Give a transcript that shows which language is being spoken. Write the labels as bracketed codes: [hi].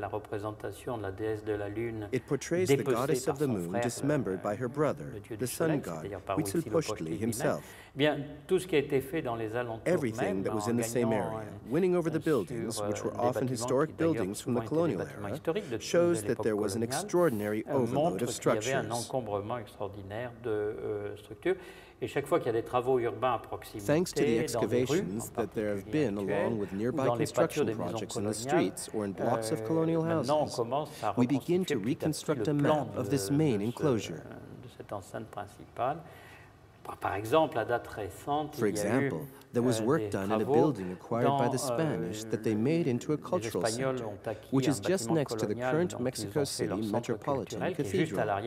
[en] It portrays the goddess of the moon dismembered by her brother, the sun god, Huitzilopochtli himself. [fr] Bien, tout ce qui a été fait dans les alentours [en] everything that was in the same area, winning over the buildings, which were often historic buildings from the colonial era, shows that there was an extraordinary overload of structures. [fr] Il y avait un encombrement extraordinaire de structures. Et chaque fois qu'il y a des travaux urbains à proximité, [en] thanks to the excavations [fr] dans les rues, [en] that there have been along with nearby construction projects in the streets or in blocks of colonial houses, we begin to reconstruct a map of this main enclosure. [fr] De cette enceinte principale. Par exemple, à date récente, [en] for example, [fr] il y a eu, [en] there was work done in a building acquired by the Spanish that they made into a cultural center, which is just next to the current Mexico City Metropolitan Cathedral.